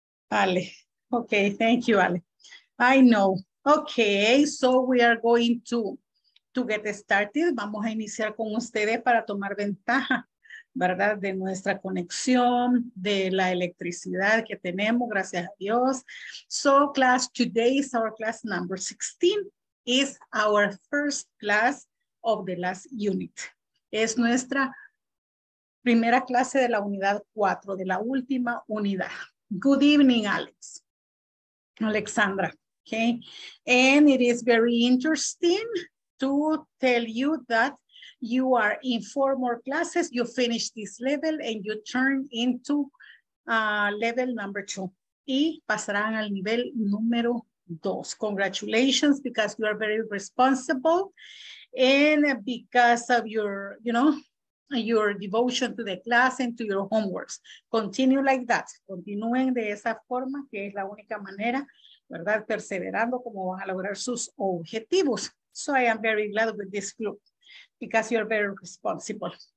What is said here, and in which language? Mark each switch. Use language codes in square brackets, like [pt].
[en] Ale. Ok, thank you, Ale. I know. Ok, so we are going to get started. [es] Vamos a iniciar con ustedes para tomar ventaja, ¿verdad? De nuestra conexión, de la electricidad que tenemos, gracias a Dios. [en] So class, today is our class number 16, is our first class of the last unit. [es] Es nuestra primera clase de la unidad 4, de la última unidad. [en] Good evening, Alex. Alexandra, okay. And it is very interesting to tell you that you are in 4 more classes, you finish this level, and you turn into level number 2. [es] Y pasarán al nivel número 2. [en] Congratulations, because you are very responsible, and because of your devotion to the class and to your homeworks. Continue like that. [es] Continúen de esa forma, que es la única manera, ¿verdad? Perseverando, como van a lograr sus objetivos. [en] So I am very glad with this group, because you're very responsible.